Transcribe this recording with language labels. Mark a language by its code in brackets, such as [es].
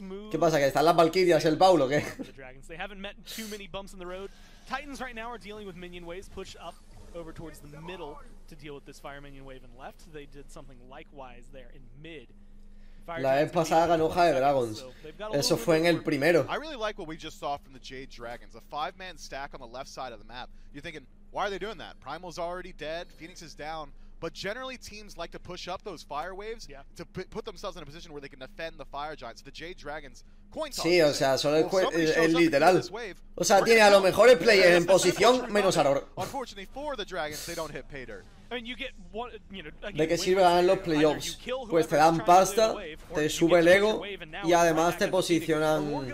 [es] ¿Qué pasa? ¿Que están las Valkyrias, el Paul o qué? [en] Titans right now are dealing with minion waves, push up over towards the middle to deal with this fire minion wave and left. They did something likewise there in mid. [es] La vez pasada ganó Jade Dragons. Eso fue en el primero. [en] I really like what we just saw from the Jade Dragons. A five-man stack on the left side of the map. You're thinking, why are they doing that? Primal's already dead. Phoenix is down. But generally, teams like to push up those fire waves to put themselves in a position where they can defend the fire giants. The Jade Dragons, coin toss. [es] Sí, o sea, solo el literal. O sea, tiene a los mejores players en posición menos Aror. [en] Unfortunately for the Dragons, they don't hit pay dirt. [es] ¿De qué sirve ganar los playoffs? Pues te dan pasta, te sube el ego y además te posicionan.